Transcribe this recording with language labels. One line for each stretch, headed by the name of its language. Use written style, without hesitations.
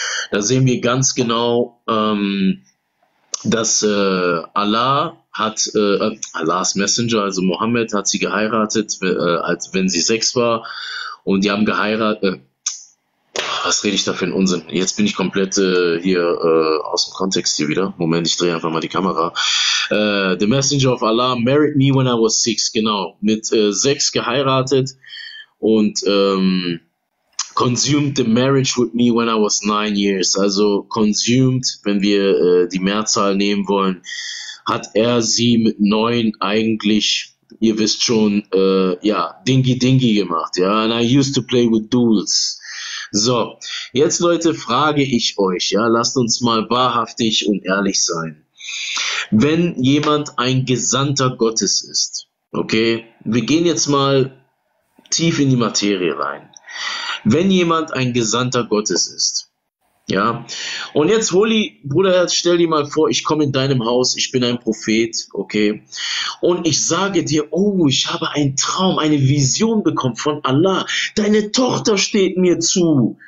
German: Da sehen wir ganz genau, dass Allahs Messenger, also Mohammed, hat sie geheiratet, als wenn sie 6 war, und die haben geheiratet. Was rede ich da für einen Unsinn? Jetzt bin ich komplett hier aus dem Kontext hier wieder. Moment, ich drehe einfach mal die Kamera.
English: The Messenger of Allah married me when I was 6, genau.
German: Mit 6 geheiratet und
English: consumed the marriage with me when I was 9 years.
German: Also consumed, wenn wir die Mehrzahl nehmen wollen, hat er sie mit 9 eigentlich, ihr wisst schon, ja, Dingy Dingy gemacht.
English: Ja, and I used to play with duels.
German: So, jetzt Leute, frage ich euch, ja, lasst uns mal wahrhaftig und ehrlich sein. Wenn jemand ein Gesandter Gottes ist, okay, wir gehen jetzt mal tief in die Materie rein. Wenn jemand ein Gesandter Gottes ist, ja, und jetzt, Holy, Bruderherz, stell dir mal vor, ich komme in deinem Haus, ich bin ein Prophet, okay, und ich sage dir, oh, ich habe einen Traum, eine Vision bekommen von Allah, deine Tochter steht mir zu.